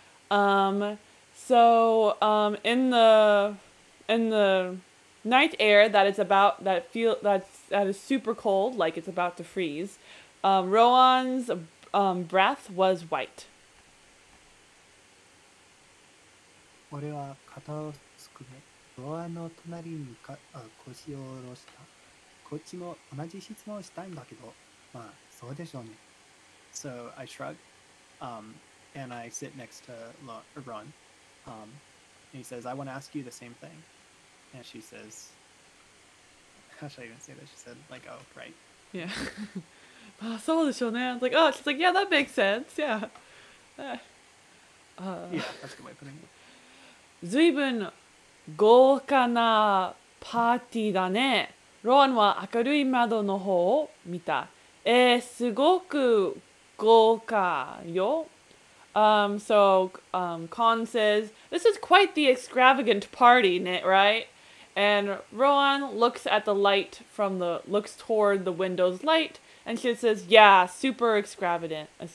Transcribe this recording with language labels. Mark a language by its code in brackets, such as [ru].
[en] In the night air that is super cold, like it's about to freeze, Rowan's breath was white. [ja] 俺は肩をすくめ、ドアの隣に腰を下ろした。こっちも同じ質問をしたいんだけど、まあそうでしょうね。 [en] So I shrug, and I sit next to Ron. And he says, I want to ask you the same thing. And she says, how should I even say this? She said, like, oh, right. Yeah. So [ja] でしょうね。 [en] Like, oh, she's like, yeah, that makes sense. Yeah. Yeah, that's a good way of putting it. [ja] 随分豪華なパーティーだね。ローンは明るい窓の方を見た。すごく豪華よ。 [en] Con says, this is quite the extravagant party, right? And Rowan looks at the light from the, looks toward the window's light, and she says, yeah, super extravagant.